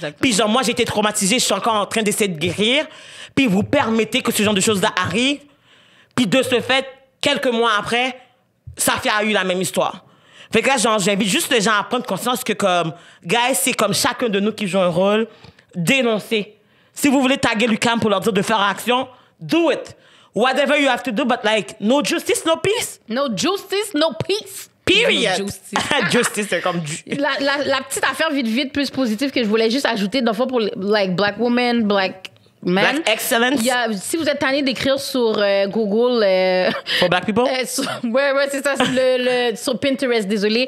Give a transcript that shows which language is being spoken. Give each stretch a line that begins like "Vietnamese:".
French: Puis genre, moi, j'ai été traumatisée, je suis encore en train d'essayer de guérir. Puis vous permettez que ce genre de choses arrive. Puis de ce fait, quelques mois après, Safia a eu la même histoire. Fait que là, genre, j'invite juste les gens à prendre conscience que, comme, guys, c'est comme chacun de nous qui joue un rôle, dénoncer. Si vous voulez taguer Lucam pour leur dire de faire action,
English: do it. Whatever you have to do, but like, no justice, no peace. No justice, no peace. Period. No justice. Justice,
French: c'est comme... La petite affaire vite plus positive que je voulais juste ajouter, d'un fois pour,
English: like, black woman, black... Man. Black excellence.
French: Yeah, si vous êtes tanné d'écrire sur Google...
English: For black people?
French: C'est ça. sur Pinterest, désolé.